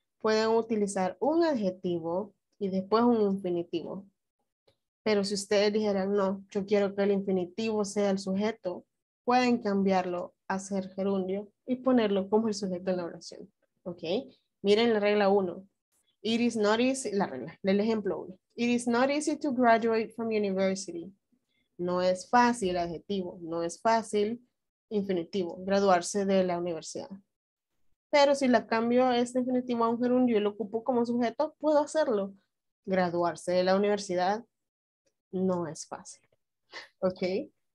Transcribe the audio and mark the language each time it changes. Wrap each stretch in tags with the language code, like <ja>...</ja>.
<es>Pueden utilizar un adjetivo y después un infinitivo. Pero si ustedes dijeran, no, yo quiero que el infinitivo sea el sujeto, pueden cambiarlo a ser gerundio y ponerlo como el sujeto en la oración. ¿Ok? Miren la regla 1.</es> <en>It is not easy,</en> <es>la regla, el ejemplo 1.</es> <en>It is not easy to graduate from university.</en> <es>No es fácil, adjetivo. No es fácil, infinitivo, graduarse de la universidad. Pero si la cambio este infinitivo a un gerundio y lo ocupo como sujeto, puedo hacerlo. Graduarse de la universidad no es fácil. ¿Ok?</es>